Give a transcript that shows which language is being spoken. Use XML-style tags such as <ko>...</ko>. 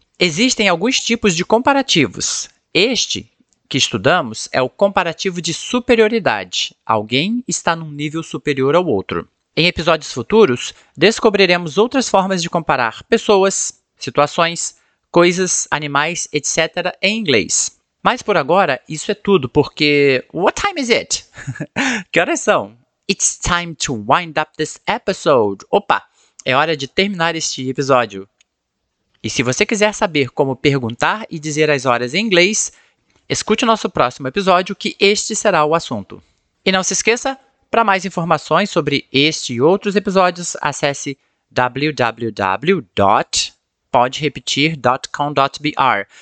<pt>Existem alguns tipos de comparativos. Este que estudamos é o comparativo de superioridade. Alguém está num nível superior ao outro. Em episódios futuros, descobriremos outras formas de comparar pessoas, situações, coisas, animais, etc. em inglês. Mas por agora, isso é tudo, porque...</pt> <en>What time is it?</en> <pt>Que horas são?</pt> <en>It's time to wind up this episode.</en> <pt>Opa, é hora de terminar este episódio. E se você quiser saber como perguntar e dizer as horas em inglês, escute o nosso próximo episódio, que este será o assunto. E não se esqueça, para mais informações sobre este e outros episódios, acesse www.poderepetir.com.br.</pt>